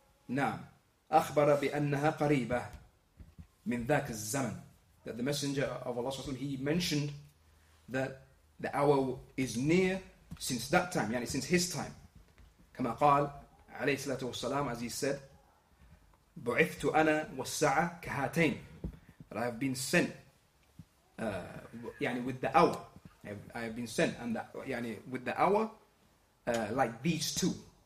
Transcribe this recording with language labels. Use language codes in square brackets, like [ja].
[ar] نعم أخبر بأنها قريبة من ذاك الزمن. [en] That the Messenger of Allah, he mentioned that the hour is near since that time, yani since his time. [ar] كما قال عليه الصلاة والسلام, [en] as he said, [ar] بعثت أنا والساعة كهاتين. [en] That I have been sent, yani with the hour. I have been sent, and that, yani with the hour, like these two.